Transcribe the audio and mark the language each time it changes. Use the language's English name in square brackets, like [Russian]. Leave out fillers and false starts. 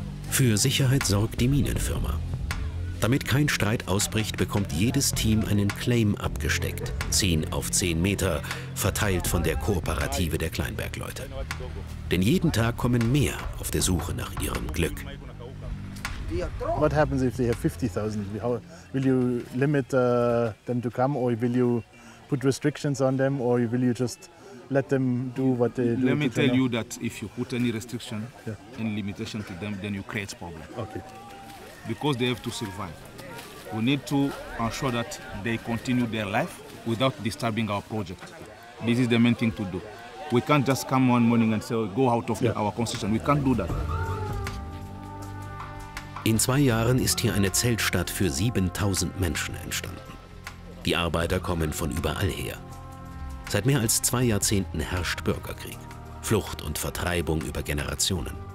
[German] Für Sicherheit sorgt die Minenfirma. Damit kein Streit ausbricht, bekommt jedes Team einen Claim abgesteckt. 10 auf 10 Meter, verteilt von der Kooperative der Kleinbergleute. Denn jeden Tag kommen mehr auf der Suche nach ihrem Glück. [English] What happens if they have 50,000? Will you limit them to come or will you put restrictions on them or will you just let them do what they do? Let me tell you that if you put any restriction, yeah, any limitation to them, then you create problem. Okay. Because they have to survive. We need to ensure that they continue their life without disturbing our project. This is the main thing to do. We can't just come one morning and say, go out of, yeah, our concession. We can't do that. [German] In 2 Jahren ist hier eine Zeltstadt für 7000 Menschen entstanden. Die Arbeiter kommen von überall her. Seit mehr als 2 Jahrzehnten herrscht Bürgerkrieg. Flucht und Vertreibung über Generationen.